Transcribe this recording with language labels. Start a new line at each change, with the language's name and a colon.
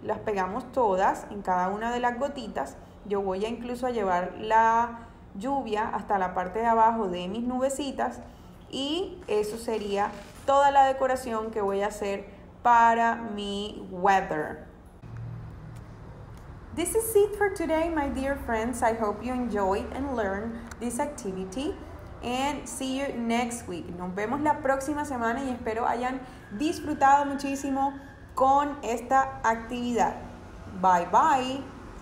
Spanish: Las pegamos todas en cada una de las gotitas. Yo voy a incluso a llevar la lluvia hasta la parte de abajo de mis nubecitas. Y eso sería toda la decoración que voy a hacer para mi weather.
English: This is it for today, my dear friends. I hope you enjoyed and learned this activity. And see you next week.
Spanish: Nos vemos la próxima semana y espero hayan disfrutado muchísimo con esta actividad. Bye, bye.